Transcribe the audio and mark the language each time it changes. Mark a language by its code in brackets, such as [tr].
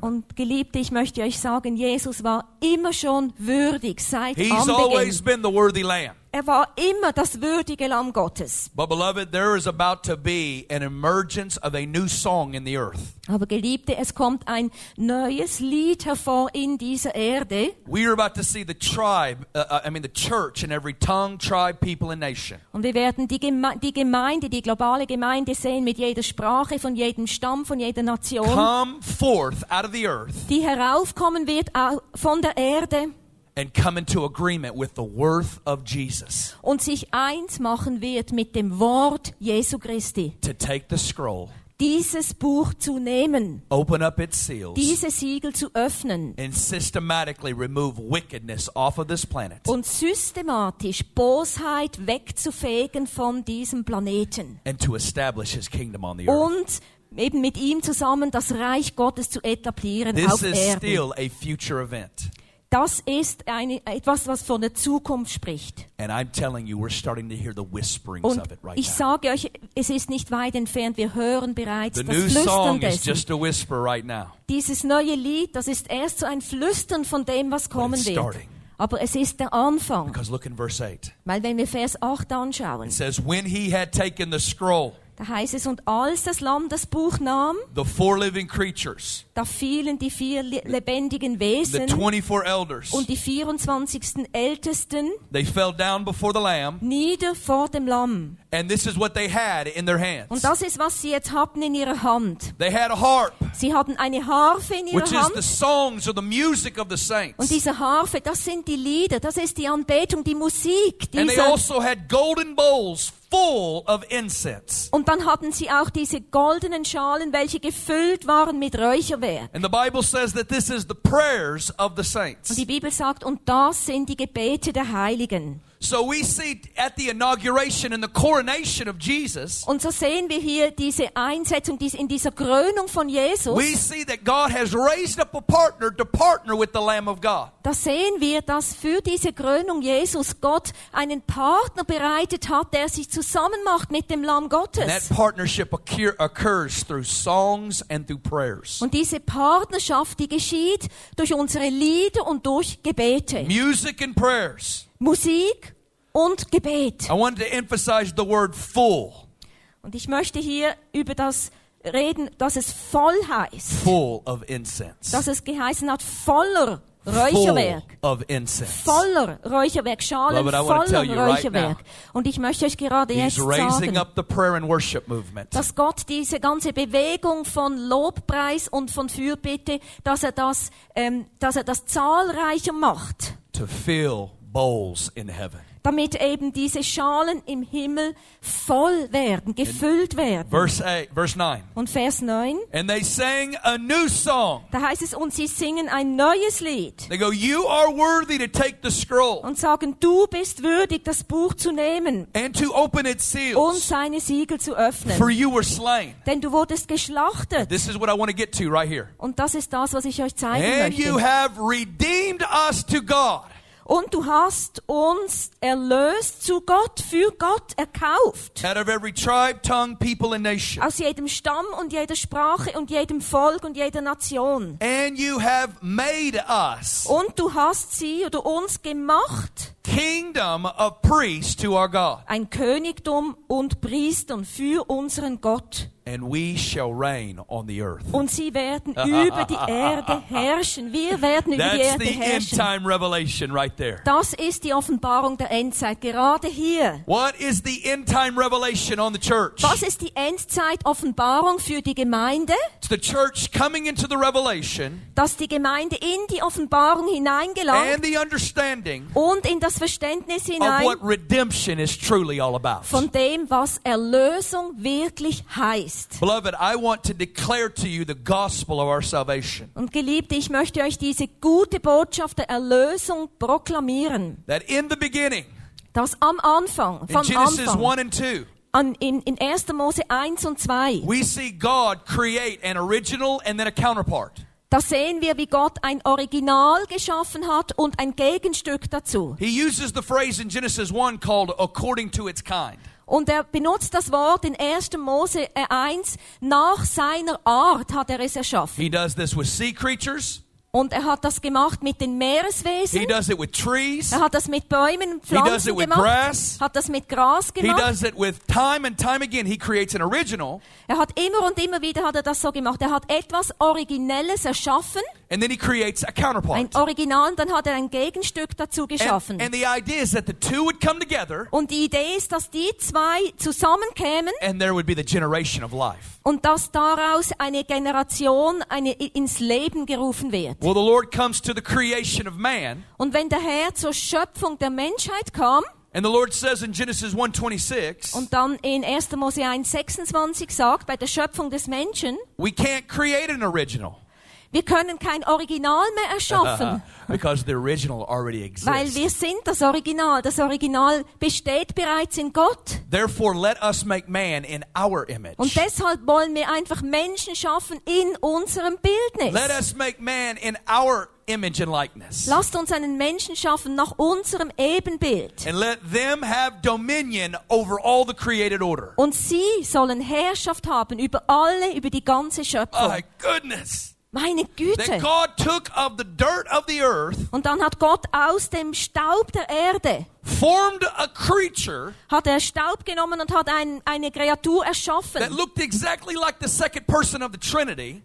[de] Und Geliebte, ich möchte euch sagen, Jesus war immer schon würdig seit Anbeginn. [en] He's always been the worthy lamb. [de] Er war immer das würdige Lamm Gottes. [en] But beloved, there is about to be an emergence of a new song in the earth. [de] Aber Geliebte, es kommt ein neues Lied hervor in dieser Erde. [en] We are about to see the tribe, the church in every tongue, tribe, people and nation. [de] Und wir werden die Gemeinde, die globale Gemeinde sehen mit jeder Sprache, von jedem Stamm, von jeder Nation. [en] Come forth out of the earth. [de] Die heraufkommen wird von der Erde. [en] And come into agreement with the worth of Jesus. [de] Und sich eins machen wird mit dem Wort Jesu Christi. [en] To take the scroll. [de] Dieses Buch zu nehmen. [en] Open up its seals. [de] Diese Siegel zu öffnen. [en] And systematically remove wickedness off of this planet. [de] Und systematisch Bosheit wegzufegen von diesem Planeten. [en] And to establish his kingdom on the earth. [de] Und eben mit ihm zusammen das Reich Gottes zu etablieren auf Erden. [en] This is still a future event. [de] Das ist etwas, was von der Zukunft spricht. [en] And I'm telling you, we're starting to hear the whisperings [de] und [en] of it right [de] ich [en] now. [de] Sage euch, es ist nicht weit entfernt. Wir hören bereits [en] the [de] das [en] new [de] Flüstern [en] song [de] dessen. [en] Is just a whisper right now. [de] Dieses neue Lied, das ist erst so ein Flüstern von dem, was kommen [en] it's [de] wird. [en] Starting. [de] Aber es ist der Anfang. [en] Because look in verse 8. [de] Weil wenn wir Vers 8 anschauen. [en] It says, when he had taken the scroll. [de] Da heißt es, und als das Lamm das Buch nahm, [en] the four living creatures, [de] da fielen die vier lebendigen Wesen [en] the 24 elders, [de] und die 24 Ältesten [en] they fell down before the lamb, [de] nieder vor dem Lamm. [en] And this is what they had in their hands. [de] Und das ist, was sie jetzt hatten in ihrer Hand. [en] They had a harp. [de] Sie hatten eine Harfe in ihrer [en] which [de] Hand. [en] Which is the songs or the music of the saints. [de] Und diese Harfe, das sind die Lieder, das ist die Anbetung, die Musik. [en] And they also had golden bowls full of incense. [de] Und dann hatten sie auch diese goldenen Schalen, welche gefüllt waren mit Räucherwerk. [en] And the Bible says that this is the prayers of the saints. [de] Und die Bibel sagt, und das sind die Gebete der Heiligen. [en] So we see at the inauguration and the coronation of Jesus. [de] Und so sehen wir hier diese Einsetzung in dieser Krönung von Jesus. [en] We see that God has raised up a partner to partner with the Lamb of God. [de] Da sehen wir, dass für diese Krönung Jesus Gott einen Partner bereitet hat, der sich zusammenmacht mit dem Lamm Gottes. [en] And that partnership occurs through songs and through prayers. [de] Und diese Partnerschaft, die geschieht durch unsere Lieder und durch Gebete. [en] Music and prayers. [de] Musik und Gebet. [en] I wanted to emphasize the word full. [de] Und ich möchte hier über das reden, dass es voll heißt. [en] Full of incense. [de] Dass es geheißen hat, voller Räucherwerk. [en] Full of incense. [de] Voller Räucherwerk, Schalen, Lord, voller Räucherwerk. [en] Right now, [de] und ich möchte euch gerade jetzt sagen, [en] raising up the prayer and worship movement. [de] Dass Gott diese ganze Bewegung von Lobpreis und von Fürbitte, dass er das zahlreicher macht. [en] To fill bowls in heaven. [de] Damit eben diese Schalen im Himmel voll werden, gefüllt werden. [en] Verse 9. [de] Und Vers 9. [en] And they sang a new song. [de] Da heißt es, und sie singen ein neues Lied. [en] They go, you are worthy to take the scroll. [de] Und sagen, du bist würdig, das Buch zu nehmen. [en] And to open its seals. [de] Und seine Siegel zu öffnen. [en] For you were slain. [de] Denn du wurdest geschlachtet. [en] This is what I want to get to right here. [de] Und das ist das, was ich euch zeigen [en] and [de] möchte. [en] And you have redeemed us to God. [de] Und du hast uns erlöst zu Gott, für Gott erkauft. [en] Out of every tribe, tongue, people and nation. [de] Aus jedem Stamm und jeder Sprache und jedem Volk und jeder Nation. [en] And you have made us. [de] Und du hast sie oder uns gemacht. [en] Kingdom of priests to our God. [de] Ein Königtum und Priestern für unseren Gott. [en] And we shall reign on the earth. [de] Und sie werden über die Erde herrschen. Wir werden über die Erde herrschen. [en] That's the end time revelation right there. [de] Das ist die Offenbarung der Endzeit gerade hier. [en] What is the end time revelation on the church? [de] Was ist die Endzeit Offenbarung für die Gemeinde? [en] It's the church coming into the revelation. [de] Dass die Gemeinde in die Offenbarung hineingelangt. [en] And the understanding. [de] Und in das Verständnis hinein. [en] Of what redemption is truly all about. [de] Von dem, was Erlösung wirklich heißt. [en] Beloved, I want to declare to you the gospel of our salvation. [de] Und geliebte, ich möchte euch diese gute Botschaft der Erlösung proklamieren. [en] That in the beginning, [de] dass am Anfang, [en] in Genesis 1 and 2, [de] in 1. Mose 1 und 2, [en] we see God create an original and then a counterpart. [de] Da sehen wir, wie Gott ein Original geschaffen hat und ein Gegenstück dazu. [en] He uses the phrase in Genesis 1 called according to its kind. [de] Und er benutzt das Wort in 1. Mose 1, nach seiner Art hat er es erschaffen. [en] He does this with sea creatures. [de] Und er hat das gemacht mit den Meereswesen. [en] He does it with trees. [de] Er hat das mit Bäumen, Pflanzen [en] he does it with [de] gemacht. [en] Grass. [de] Hat das mit Gras gemacht. [en] He does it with time and time again. He creates an original. [de] Er hat immer und immer wieder hat er das so gemacht. Er hat etwas Originelles erschaffen. [en] And then he creates a counterpart. [de] Ein Original, dann hat er ein Gegenstück dazu geschaffen. [en] And the idea is that the two would come together. [de] Und die Idee ist, dass die zwei zusammenkämen. [en] And there would be the generation of life. [de] Und dass daraus eine Generation eine ins Leben gerufen wird. [en] Well, the Lord comes to the creation of man. [de] Und wenn der Herr zur Schöpfung der Menschheit kam. [en] And the Lord says in Genesis 1:26. [de] Und dann in 1. Mose 1:26 sagt bei der Schöpfung des Menschen. [en] We can't create an original. [de] Wir können kein Original mehr erschaffen. [en] Because the original already exists. [de] Weil wir sind das Original. Das Original besteht bereits in Gott. [en] Therefore, let us make man in our image. [de] Und deshalb wollen wir einfach Menschen schaffen in unserem Bildnis. [en] Let us make man in our image and likeness. [de] Lasst uns einen Menschen schaffen nach unserem Ebenbild. [en] And let them have dominion over all the created order. [de] Und sie sollen Herrschaft haben über alle, über die ganze Schöpfung. [en] My goodness. [de] Meine Güte. [en] That God took of the dirt of the earth. [de] Und dann hat Gott aus dem Staub der Erde. [en] Formed a creature. [de] Hat er Staub genommen und hat eine Kreatur erschaffen. [en] That looked exactly like the second person of the Trinity.